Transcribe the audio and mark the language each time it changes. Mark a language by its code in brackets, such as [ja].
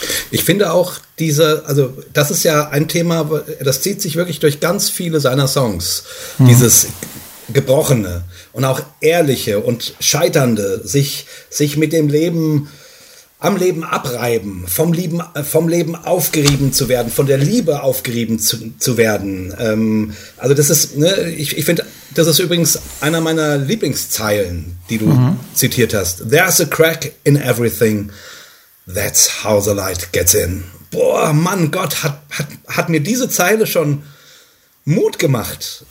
[de] Ich finde auch diese, also das ist ja ein Thema, das zieht sich wirklich durch ganz viele seiner Songs, dieses Gebrochene und auch Ehrliche und Scheiternde, sich mit dem Leben, am Leben abreiben, vom Leben aufgerieben zu werden, von der Liebe aufgerieben zu werden. Also das ist, ne, ich finde, das ist übrigens einer meiner Lieblingszeilen, die du zitiert hast. [en] There's a crack in everything. That's how the light gets in. [de] Boah, Mann, Gott, hat mir diese Zeile schon Mut gemacht.